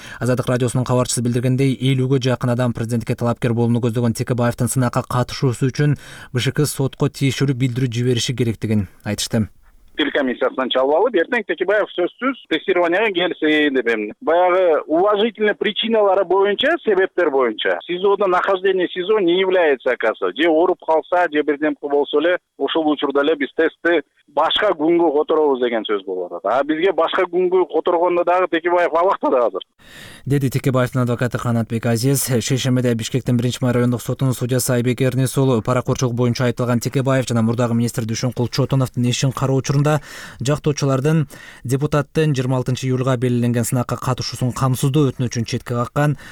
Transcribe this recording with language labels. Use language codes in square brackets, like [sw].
[ky] Азаттык радиосунун кабарчысы билдиргендей, 50 жакын адам президентке талапкер болууну көздөгөн Текебаевдин сынакка катышуусу үчүн БШК сотко тиешелүү билдирүү жибериши керектигин айтышты. Тил комиссиясынан чалып алып, эртең Текебаев сөзсүз тестированияга келсин деп эмне. Баягы уважительный причиналары боюнча, себептер боюнча. [ru] СИЗОдо нахождение СИЗО не является касса. [ky] Же ооруп калса, же бирдемке болсо эле, ошол учурда эле биз тестти башка күнгө которобуз деген сөз болуп атат. А бизге башка күнгө которгондо дагы Текебаев абакта да азыр. Деди Текебаевдин адвокаты Канатбек Азиз. Шейшембиде Бишкектин 1-май райондук сотунун судьясы Айбек Эрнисулу паракорчулук боюнча айтылган Текебаев жана мурдагы министр Дүшөнкул Чотоновдун ишин кароо учурунда жактоочулардын депутаттын 26-июлга белгиленген сынакка катышуусун камсыздоо өтүнүчүн четке каккан.